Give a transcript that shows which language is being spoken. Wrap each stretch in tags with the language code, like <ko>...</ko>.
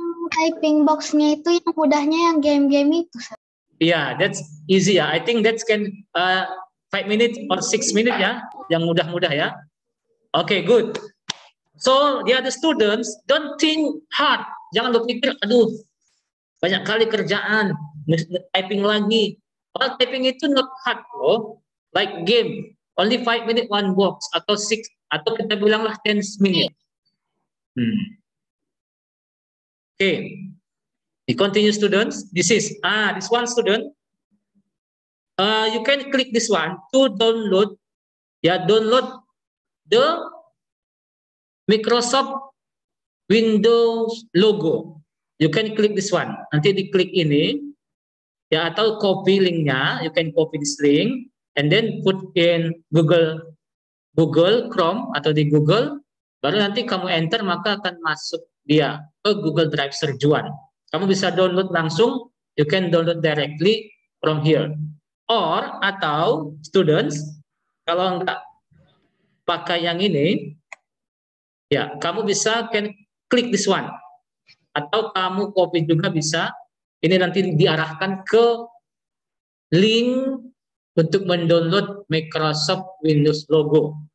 <id>Typing box-nya itu yang mudahnya yang game-game itu.</id> <en>Yeah, that's easy ya. Yeah. I think that's can 5 minutes or 6 minutes ya, yeah?</en> <id>Yang mudah-mudah ya.</id> <en>Yeah? Okay, good. So the other students don't think hard.</en> <id>Jangan lo pikir, aduh, banyak kali kerjaan, typing lagi.</id> <en>Well, typing itu not hard lo, like game. Only 5 minutes one box atau 6</en> <id>atau kita bilanglah</id> <en>10 minutes. Okay, we continue students. This one student. You can click this one to download. Yeah, download the Microsoft Windows logo. You can click this one.</en> <id>Nanti diklik ini.</id> <en>Ya, yeah,</en> <id>atau copy linknya.</id> <en>You can copy this link and then put in Google Chrome</en> <id>atau di Google. Baru nanti kamu enter maka akan masuk dia ke Google Drive serjuan. Kamu bisa download langsung,</id> <en>you can download directly from here.</en> <id>Or, atau students, kalau enggak pakai yang ini, ya, kamu bisa</id> <en>can click this one.</en> <id>Atau kamu copy juga bisa, ini nanti diarahkan ke link untuk mendownload Microsoft Windows logo.</id>